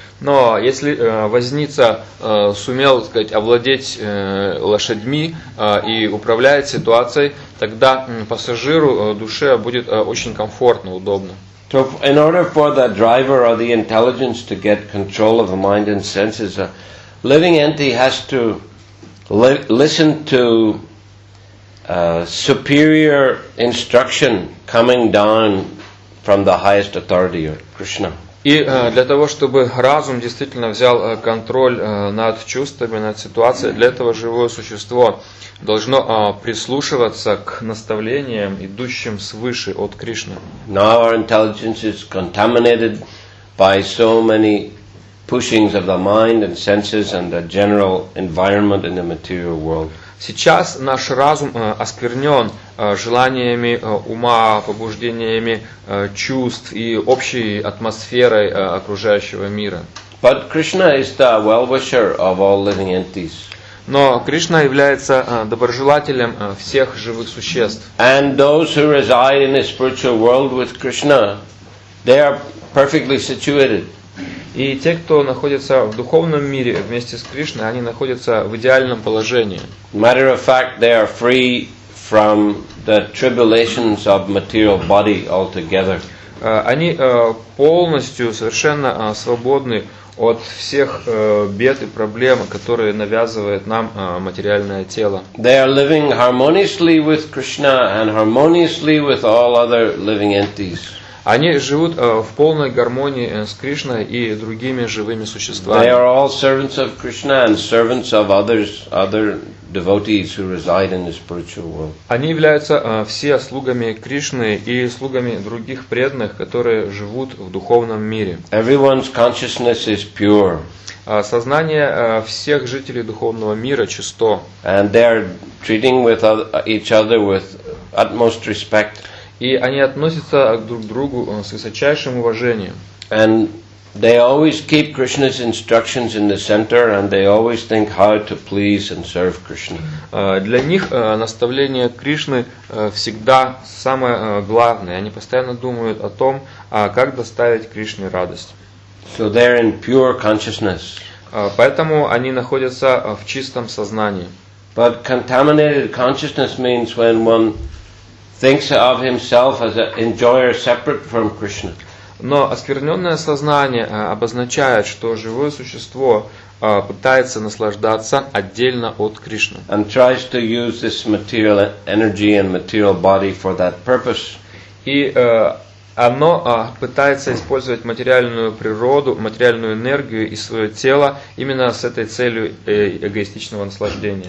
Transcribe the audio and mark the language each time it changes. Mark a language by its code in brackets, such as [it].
[ru] Но если возница сумел, так сказать, овладеть лошадьми и управляет ситуацией, тогда пассажиру душе будет очень комфортно, удобно. [en] So in order for the driver or the intelligence to get control of the mind and senses, a living entity has to listen to superior instruction coming down from the highest authority of Krishna. [ru] И для того, чтобы разум действительно взял контроль над чувствами, над ситуацией, для этого живое существо должно прислушиваться к наставлениям, идущим свыше от Кришны. [en] Now our intelligence is contaminated by so many pushings of the mind and senses and the general environment in the material world. [ru] Сейчас наш разум осквернен желаниями ума, побуждениями чувств и общей атмосферой окружающего мира. [en] But Krishna is the well-wisher of all living entities. [ru] Но Кришна является доброжелателем всех живых существ. [en] And those who reside in the spiritual world with Krishna, they are perfectly situated. [ru] И те, кто находится в духовном мире вместе с Кришной, они находятся в идеальном положении. [en] Matter of fact, they are free from the tribulations of material body altogether. [ru] Они полностью, совершенно свободны от всех бед и проблем, которые навязывает нам материальное тело. [en] They are living harmoniously with Krishna and harmoniously with all other living entities. [ru] Они живут в полной гармонии с Кришной и другими живыми существами. [en] They are all servants of Krishna and servants of others, other devotees who reside in the spiritual world. [ru] Они являются все слугами Кришны и слугами других преданных, которые живут в духовном мире. [en] Everyone's consciousness is pure. [ru] Сознание всех жителей духовного мира чисто. [en] And they are treating with each other with utmost respect. [ru] И они относятся друг к другу с высочайшим уважением. [en] And they always keep Krishna's instructions in the center, and they always think how to please and serve Krishna. [ru] Для них наставление Кришны всегда самое главное. Они постоянно думают о том, как доставить Кришне радость. [en] So they're in pure consciousness. [ru] Поэтому они находятся в чистом сознании. [en] But contaminated consciousness means when one thinks of himself as an enjoyer separate from Krishna. [ru] Но оскверненное сознание обозначает, что живое существо пытается наслаждаться отдельно от Кришны. [en] And tries to use this material energy and material body for that purpose. [ru] И оно пытается использовать материальную природу, материальную энергию и свое тело именно с этой целью эгоистичного наслаждения.